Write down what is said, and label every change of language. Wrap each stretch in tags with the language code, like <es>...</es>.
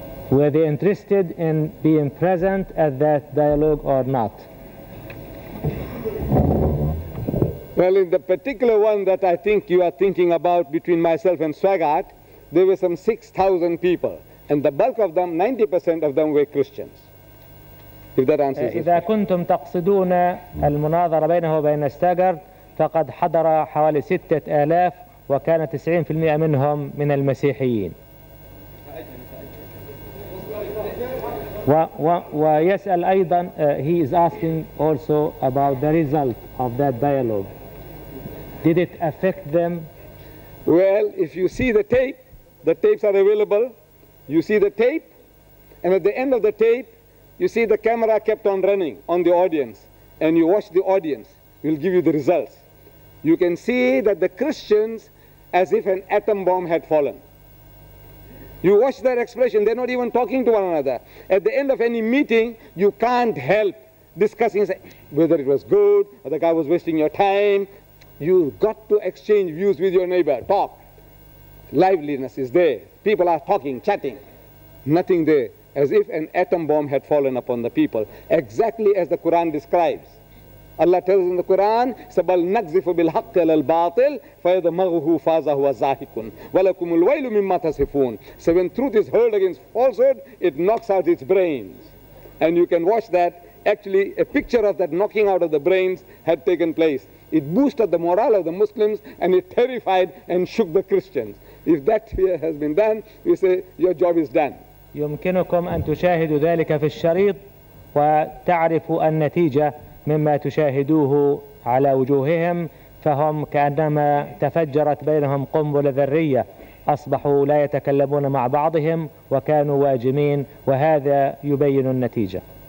<en>Were they interested in being present at that dialogue or not? Well, in the particular one that I think you are thinking about between myself and Swaggart, there were some 6,000 people, and the bulk of them, 90% of them were Christians. If that answers your question.</en> <ar>إذا كنتم تقصدون المناظرة بينه وبين ستاغارت، فقد حضر حوالي 6,000، وكان 90% منهم من المسيحيين. ويسأل أيضا,</ar> <en>he is asking also about the result of that dialogue. Did it affect them? Well, if you see the tape, the tapes are available. You see the tape, and at the end of the tape, you see the camera kept on running on the audience, and you watch the audience. We'll give you the results. You can see that the Christians, as if an atom bomb had fallen. You watch their expression. They're not even talking to one another. At the end of any meeting, you can't help discussing whether it was good or the guy was wasting your time. You've got to exchange views with your neighbor, talk. Liveliness is there. People are talking, chatting. Nothing there, as if an atom bomb had fallen upon the people. Exactly as the Quran describes.</en> <ar>Allah tells in the Quran, سَبَلْ نَقْزِفُ بِالْحَقِّ عَلَى الْبَاطِلِ فَإِذَا مَغْهُ فَازَ هُوَ زَاهِقٌ وَلَكُمُ الْوَيْلُ مِمَّا تَصِفُونَ.</ar> <en>So when truth is hurled against falsehood, it knocks out its brains. And you can watch that. Actually, a picture of that knocking out of the brains had taken place. It boosted the morale of the Muslims and it terrified and shook the Christians. If that has been done, you say, your job is done.</en> <ar>يمكنكم أن تشاهدوا ذلك في الشريط وتعرفوا النتيجة مما تشاهدوه على وجوههم، فهم كأنما تفجرت بينهم قنبلة ذرية، أصبحوا لا يتكلمون مع بعضهم وكانوا واجمين، وهذا يبين النتيجة.</ar>